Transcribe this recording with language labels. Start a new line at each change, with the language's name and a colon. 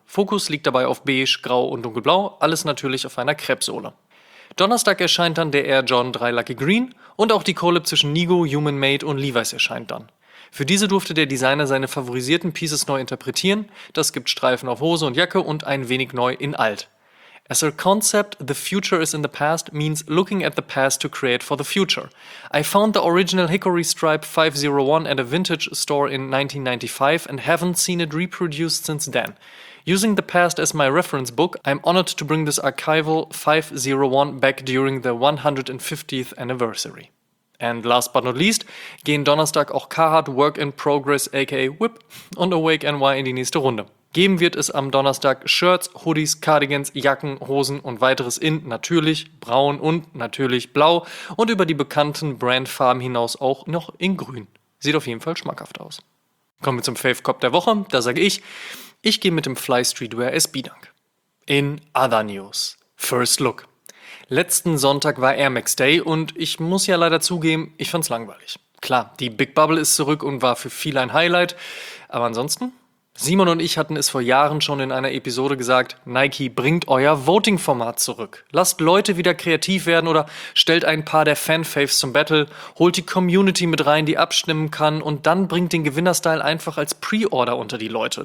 German: Fokus liegt dabei auf beige, grau und dunkelblau, alles natürlich auf einer Crepe-Sohle. Donnerstag erscheint dann der Air Jordan 3 Lucky Green und auch die Collab zwischen Nigo, Human Made und Levi's erscheint dann. Für diese durfte der Designer seine favorisierten Pieces neu interpretieren, das gibt Streifen auf Hose und Jacke und ein wenig neu in alt.
English: As a concept, the future is in the past means looking at the past to create for the future. I found the original Hickory Stripe 501 at a vintage store in 1995 and haven't seen it reproduced since then. Using the past as my reference book, I'm honored to bring this archival 501 back during the 150th anniversary. And last but not least,
German: gehen Donnerstag auch Carhartt Work in Progress aka Whip und Awake NY in die nächste Runde. Geben wird es am Donnerstag Shirts, Hoodies, Cardigans, Jacken, Hosen und weiteres in natürlich braun und natürlich blau und über die bekannten Brandfarben hinaus auch noch in grün. Sieht auf jeden Fall schmackhaft aus. Kommen wir zum Fave Cop der Woche, da sage ich, gehe mit dem Fly Streetwear SB Dunk.
English: In other news, first look.
German: Letzten Sonntag war Air Max Day und ich muss ja leider zugeben, ich fand's langweilig. Klar, die Big Bubble ist zurück und war für viele ein Highlight, aber ansonsten Simon und ich hatten es vor Jahren schon in einer Episode gesagt, Nike bringt euer Voting-Format zurück. Lasst Leute wieder kreativ werden oder stellt ein paar der Fan-Faves zum Battle, holt die Community mit rein, die abstimmen kann und dann bringt den Gewinner-Style einfach als Pre-Order unter die Leute.